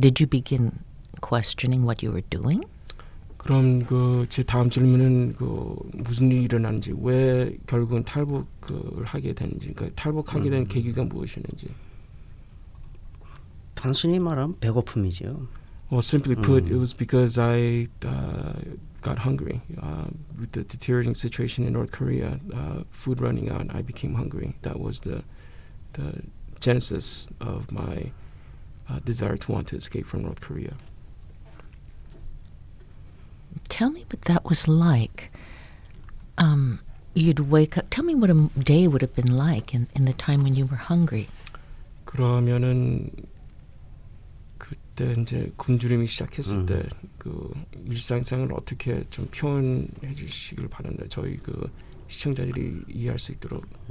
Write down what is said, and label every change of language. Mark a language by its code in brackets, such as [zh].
[en] Did you begin questioning what you were doing? [ko] 그럼 그 제 다음 질문은 그 무슨 일이 일어난지 왜 결국은 탈북을 하게 되는지 그 탈북하게 된 계기가 무엇이었는지. 단순히 말하면 배고픔이죠. [en] Well, simply put, it was because I got hungry. With the deteriorating situation in North Korea, food running out, I became hungry. That was the genesis of my desire to want to escape from North Korea. Tell me what that was like. You'd wake up. Tell me what a day would have been like in the time when you were hungry. [ko] 그러면은 그때 이제 굶주림이 시작했을 때 그 일상생활 어떻게 좀 표현해 주시길 바랍니다. 저희 그 시청자들이 이해할 수 있도록.